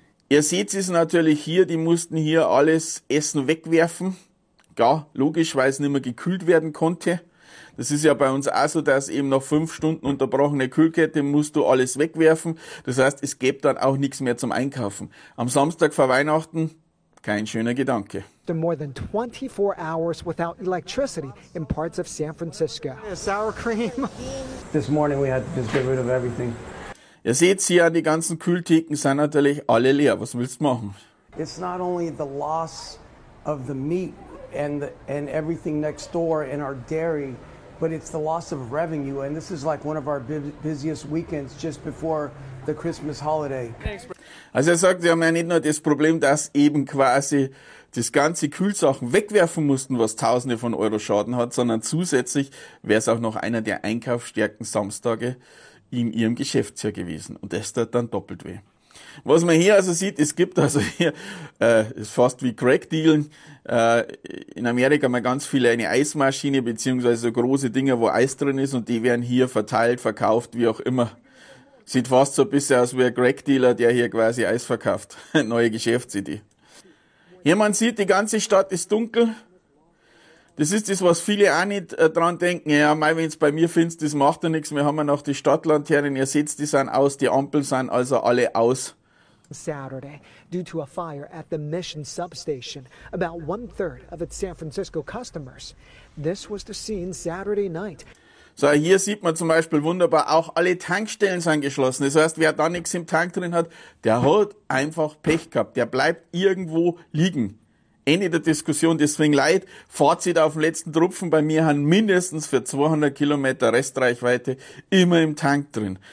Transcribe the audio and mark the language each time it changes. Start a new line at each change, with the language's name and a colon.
German: Ihr seht es natürlich hier, die mussten hier alles Essen wegwerfen. Ja, logisch, weil es nicht mehr gekühlt werden konnte. Das ist ja bei uns auch so, dass eben nach 5 Stunden unterbrochene Kühlkette musst du alles wegwerfen. Das heißt, es gibt dann auch nichts mehr zum Einkaufen. Am Samstag vor Weihnachten, kein schöner Gedanke.
English: After more than 24 hours without electricity in parts of San Francisco. Sour cream. This morning we had to just get rid of everything.
German: Ihr seht hier, die ganzen Kühltheken sind natürlich alle leer. Was willst du machen?
English: It's not only the loss of the meat and everything next door in our dairy, but it's the loss of revenue. And this is like one of our busiest weekends just before the Christmas holiday.
German: Also er sagt, wir haben ja nicht nur das Problem, dass eben quasi das ganze Kühlsachen wegwerfen mussten, was Tausende von Euro Schaden hat, sondern zusätzlich wäre es auch noch einer der einkaufsstärksten Samstage in ihrem Geschäftsjahr gewesen. Und das tat dann doppelt weh. Was man hier also sieht, es gibt also hier, ist fast wie Crack-Dealen, in Amerika mal ganz viele eine Eismaschine beziehungsweise so große Dinger, wo Eis drin ist und die werden hier verteilt, verkauft, wie auch immer. Sieht fast so ein bisschen aus wie ein Crack-Dealer, der hier quasi Eis verkauft. Neue Geschäftsidee. Hier man sieht, die ganze Stadt ist dunkel. Das ist das, was viele auch nicht dran denken. Ja, mei, wenn's bei mir findest, das macht ja nichts. Wir haben ja noch die Stadtlaternen. Ihr seht, die sind aus, die Ampeln sind also alle aus.
English: Saturday, due to a fire at the Mission Substation, about one third of its San Francisco customers. This was the scene Saturday night.
German: So, hier sieht man zum Beispiel wunderbar, auch alle Tankstellen sind geschlossen. Das heißt, wer da nichts im Tank drin hat, der hat einfach Pech gehabt. Der bleibt irgendwo liegen. Ende der Diskussion, deswegen leid. Fazit auf dem letzten Tropfen bei mir haben mindestens für 200 Kilometer Restreichweite immer im Tank drin.